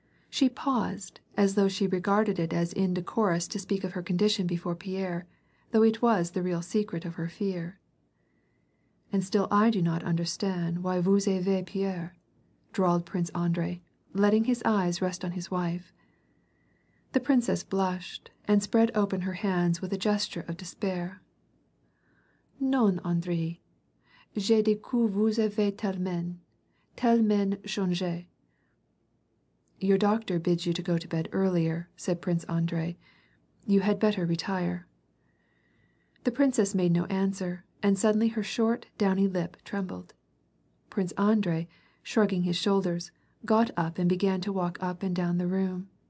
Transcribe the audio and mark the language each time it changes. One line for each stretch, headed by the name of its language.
English: She paused, as though she regarded it as indecorous to speak of her condition before Pierre, though it was the real secret of her fear. "And still I do not understand why
French: vous avez peur,"
English: drawled Prince Andrei, letting his eyes rest on his wife. The princess blushed and spread open her hands with a gesture of despair.
French: "Non, André, je découvre vous avez tellement changé."
English: "Your doctor bids you to go to bed earlier," said Prince Andrei. "You had better retire." The princess made no answer, and suddenly her short, downy lip trembled. Prince Andrei, shrugging his shoulders, got up and began to walk up and down the room.